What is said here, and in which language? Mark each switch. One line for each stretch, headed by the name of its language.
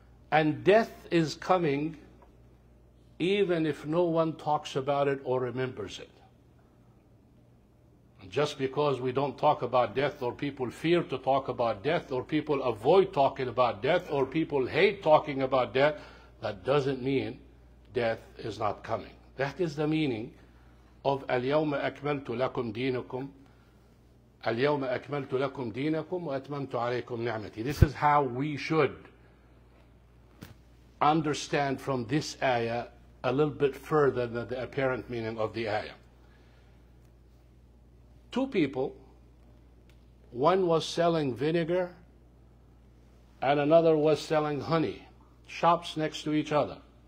English: And death is coming even if no one talks about it or remembers it. Just because we don't talk about death or people fear to talk about death or people avoid talking about death or people hate talking about death, that doesn't mean death is not coming. That is the meaning of
Arabic: الْيَوْمَ أَكْمَلْتُ لَكُمْ دِينَكُمْ الْيَوْمَ أَكْمَلْتُ لَكُمْ دِينَكُمْ وَأَتْمَمْتُ عَلَيْكُمْ نِعْمَتِي.
English: This is how we should understand from this ayah a little bit further than the apparent meaning of the ayah. Two people, one was selling vinegar and another was selling honey, shops next to each other.